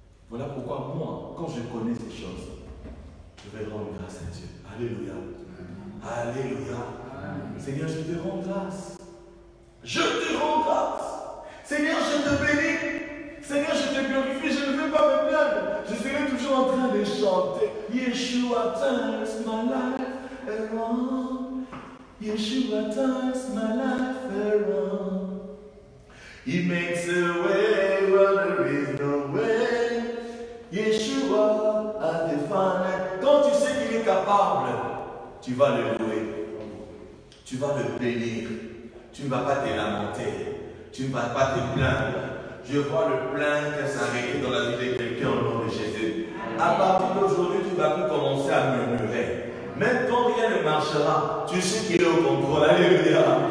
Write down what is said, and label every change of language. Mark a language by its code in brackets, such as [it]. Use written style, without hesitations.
[fr] Voilà pourquoi moi, quand je connais ces choses, je vais rendre grâce à Dieu. Alléluia. Alléluia. Seigneur, je te rends grâce. Je te rends grâce. Seigneur, je te bénis. Seigneur, je te glorifie. Je ne vais pas me plaindre. Je serai toujours en train de chanter. [en] Yeshua turns my life around. Yeshua turns my life around. He makes a way where there is no way. [fr] Yeshua a défendu. Quand tu sais qu'il est capable, tu vas le louer. Tu vas le bénir. Tu ne vas pas te lamenter. Tu ne vas pas te plaindre. Je vois le plaintes s'arrêter dans la vie de quelqu'un au nom de Jésus. À partir d'aujourd'hui, tu vas commencer à murmurer. Même quand rien ne marchera, tu sais qu'il est au contrôle. Alléluia.